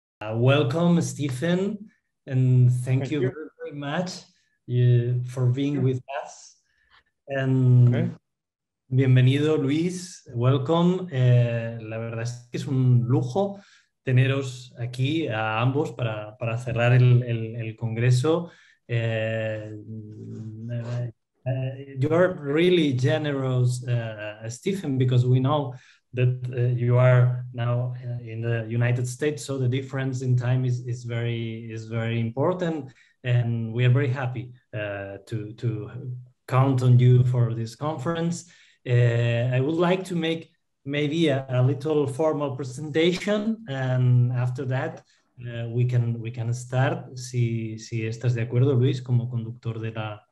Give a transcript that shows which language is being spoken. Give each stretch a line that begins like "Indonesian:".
English: Welcome, Stephen, and thank you very much for being with us. And bienvenido, Luis. Welcome.
Spanish: La verdad es que es un lujo teneros aquí a ambos para cerrar el congreso.
English: You're really generous, Stephen, because we know that you are now in the United States, so the difference in time is very important, and we are very happy to count on you for this conference. I would like to make maybe a little formal presentation, and after that we can start.
Spanish: Si estás de acuerdo, Luis, como conductor de la.